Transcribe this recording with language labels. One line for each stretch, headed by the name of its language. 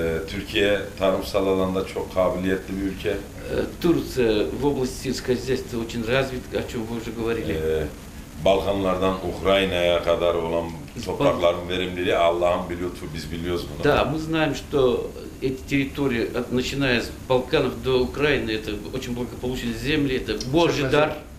Turkish: Türkiye tarımsal alanda çok kabiliyetli bir ülke.
Russian: Турция в области сельского хозяйства очень развит, о чем вы уже говорили.
Turkish: Balkanlardan Ukrayna'ya kadar olan toprakların verimliliği Allah'ın bir lütfu, biz biliyoruz bunu.
Russian: Да, мы знаем, что эти территории, начиная с Балканов до Украины, это очень благополучные земли, это Божий дар.